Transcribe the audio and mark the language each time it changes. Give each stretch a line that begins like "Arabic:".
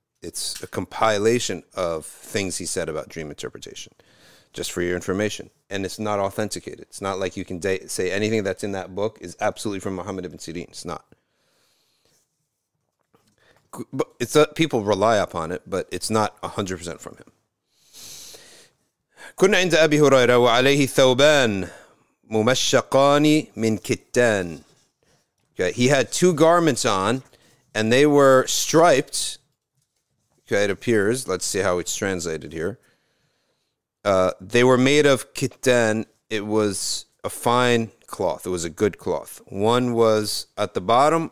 English: It's a compilation of things he said about dream interpretation, just for your information. And it's not authenticated. It's not like you can say anything that's in that book is absolutely from Muhammad ibn Sirin. It's not. People rely upon it, but it's not 100% from him.
Arabic: كنا عند أبي هريرة وعليه ثوبان ممشقان من كتان.
English: Okay, he had two garments on, and they were striped. Okay, it appears. Let's see how it's translated here. They were made of kitan. It was a fine cloth. It was a good cloth. One was at the bottom.